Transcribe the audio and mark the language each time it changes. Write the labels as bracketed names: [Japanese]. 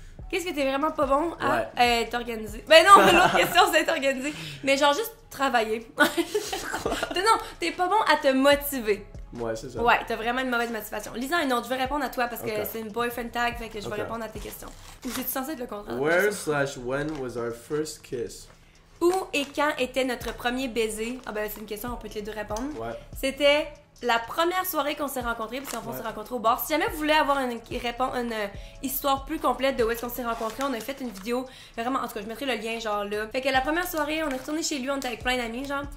[French] Qu'est-ce que t'es vraiment pas bon à être organisé? Ouais. Ben non, mais l'autre question, c'est être organisé. Mais genre, juste. Travailler. Quoi? Non, t'es pas bon à te motiver. Ouais, c'est ça. Ouais, t'as vraiment une mauvaise motivation. Lisa, non, je vais répondre à toi parce que c'est une boyfriend tag, fait que je vais répondre à tes questions. Ou c'est-tu censé être le contraire? [English] Where slash when was our first kiss? [French] Où et quand était notre premier baiser? Ah ben, c'est une question, on peut te les deux répondre. Ouais. C'était la première soirée qu'on s'est rencontrés, parce qu'en fond, on s'est rencontrés au bar. Si jamais vous voulez avoir une histoire plus complète de où est-ce qu'on s'est rencontrés, on a fait une vidéo, vraiment, en tout cas, je mettrai le lien, genre, là. Fait que la première soirée, on est retourné chez lui, on était avec plein d'amis, genre.